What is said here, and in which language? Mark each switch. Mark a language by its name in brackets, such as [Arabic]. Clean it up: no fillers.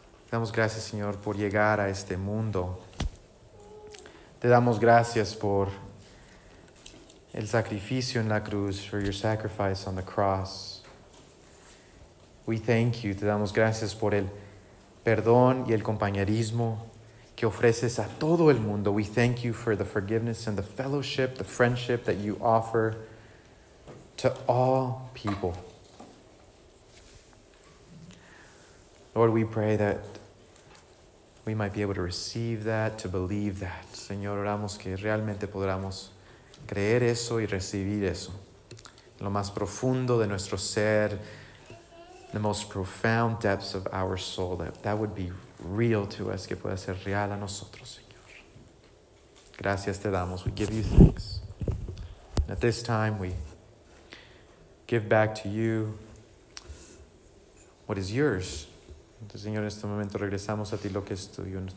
[Spanish] Te damos gracias, Señor, por llegar a este mundo. Te damos gracias por el sacrificio en la cruz, [English] for your sacrifice on the cross. We thank you. [Spanish] Te damos gracias por el perdón y el compañerismo que ofreces a todo el mundo. [English] We thank you for the forgiveness and the fellowship, the friendship that you offer to all people. Lord, we pray that we might be able to receive that, to believe that. [Spanish] Señor, oramos que realmente podamos creer eso y recibir eso. En lo más profundo de nuestro ser, [English] the most profound depths of our soul, that would be real to us, [Spanish] que pueda ser real a nosotros, Señor. Gracias te damos. [English] We give you thanks. And at this time, we give back to you what is yours. [Spanish] Entonces, Señor, en este momento regresamos a ti lo que es tuyo.